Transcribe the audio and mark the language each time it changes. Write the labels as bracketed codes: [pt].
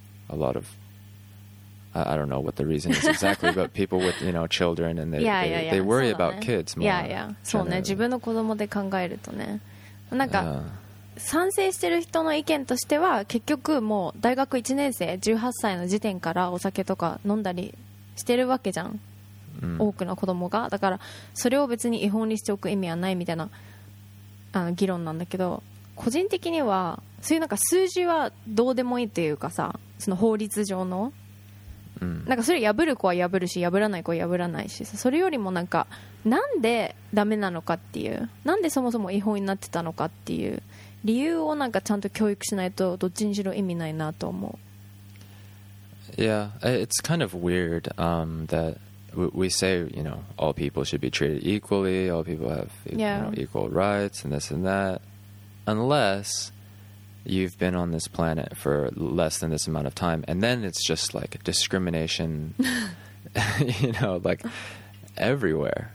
[en] A lot of, I don't know what the reason is exactly, but people with, you know, children and they worry、 [ja] ね、 [en] about kids more. Yeah, yeah. [ja] そうね、自分の子供で考えるとね。なんか、賛成してる人の意見としては、結局もう大学1年生、18歳の時点からお酒とか飲んだりしてるわけじゃん。多くの子供が。だから、それを別に違法にしておく意味はないみたいな、議論なんだけど、個人的にはそういうなんか数字はどうでもいいというかさ、その法律上の、なんかそれ破る子は破るし、破らない子は破らないし、それよりもなんかなんでダメなのかっていう、なんでそもそも違法になってたのかっていう理由をなんかちゃんと教育しないと、どっちにしろ意味ないなと思う。 [en] Yeah, it's kind of weird、that we say, you know, all people should be treated equally, all people have, you know, equal rights and this and thatUnless you've been on this planet for less than this amount of time, and then it's just like discrimination, you know, like everywhere.